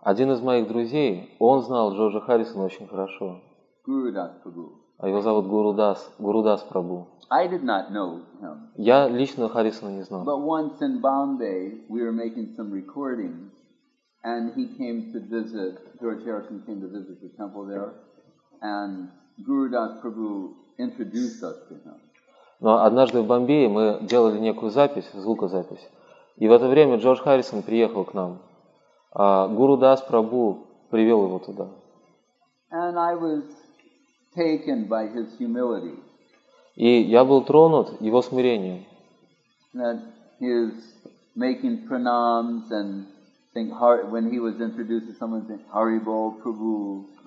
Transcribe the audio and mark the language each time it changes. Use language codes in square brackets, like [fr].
[ru] Один из моих друзей, он знал Джорджа Харрисона очень хорошо. [en] Guru Das Prabhu. [ru] А его зовут Гуру Дас, Гуру Дас Прабу. [en] I did not know him. [ru] Я лично Харрисона не знал. [en] But once in Bombay, we were making some recordings, and he came to visit. George Harrison came to visit the temple there, and Guru Das Prabhu introduced us to him. [ru] Но однажды в Бомбее мы делали некую запись, звукозапись. И в это время Джордж Харрисон приехал к нам. А Гуру Дас Прабу привел его туда. [en] And I was taken by his humility. [ru] И я был тронут его смирением. [en] That he is making pranams and think heart when he was introduced to someone saying Hari Bol Prabhu.